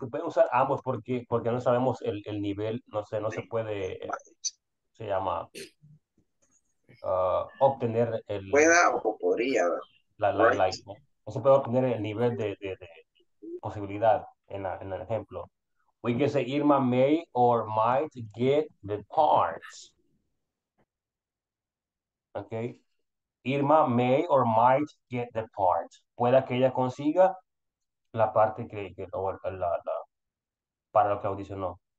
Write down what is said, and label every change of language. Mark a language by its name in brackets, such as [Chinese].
[Spanish] Podemos usar ambos porque no sabemos el nivel, no se puede, se llama, obtener el... Pueda o podría. No se puede obtener el nivel de posibilidad en el ejemplo. [English] We can say Irma may or might get the parts. Okay, Irma may or might get the part. [Spanish] Pueda que ella consiga la parte que o la para lo que audicionó.